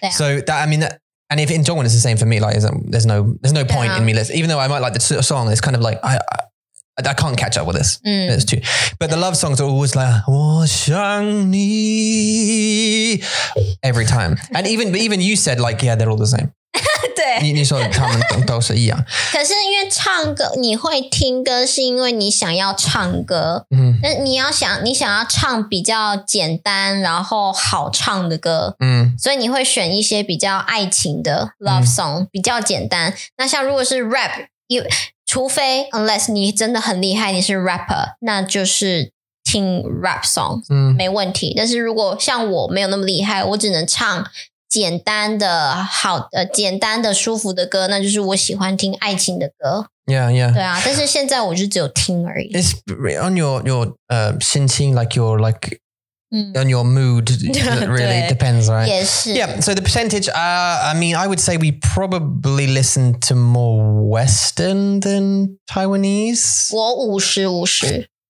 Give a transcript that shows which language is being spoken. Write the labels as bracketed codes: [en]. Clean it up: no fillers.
[en] So that I mean that， and if in 中文 it's the same for me， like there's no point in me listening， even though I might like the song， it's kind of like I can't catch up with this， it's too。 But the love songs are always like [zh] 我想你 [en] every time， and even you said like yeah they're all the same。 [zh] 对，你说他们都是一样。可是因为唱歌，你会听歌，是因为你想要唱歌。那你想要唱比较简单，然后好唱的歌。所以你会选一些比较爱情的 love song， 比较简单。那像如果是 rap， 除非 unless 你真的很厉害，你是 rapper， 那就是听 rap song， 没问题。但是如果像我没有那么厉害，我只能唱简单的好简单的舒服的歌，那就是我喜欢听爱情的歌。 [en] Yeah. [zh] 对啊，但是现在我就只有听而已。 [en] It's on your 心情 ，like your like on your mood really depends, right? [zh] 也是。 [en] Yeah. So the percentage, I mean, I would say we probably listen to more Western than Taiwanese. [zh] 我50-50。